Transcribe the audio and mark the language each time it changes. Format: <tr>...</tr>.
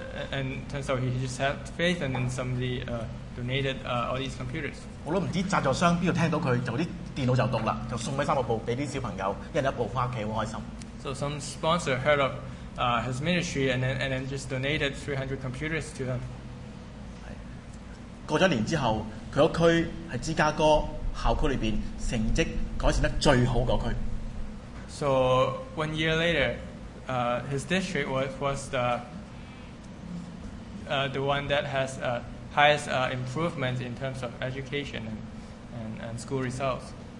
<en>And turns out he just had faith and then somebody donated all these computers.</en> <yue>我都唔知赞助商边度听到佢，就啲电脑就到啦，就送俾三部俾啲小朋友，一人一部翻屋企，好开心。</yue> <en>So some sponsor heard of his ministry and then just donated 300 computers to him.</en> <yue>过咗年之后，佢个区系芝加哥。校区里边成绩改善得最好嗰区。</yue> <en>So one year later, his district was the one that has highest improvement in terms of education and school results.</en>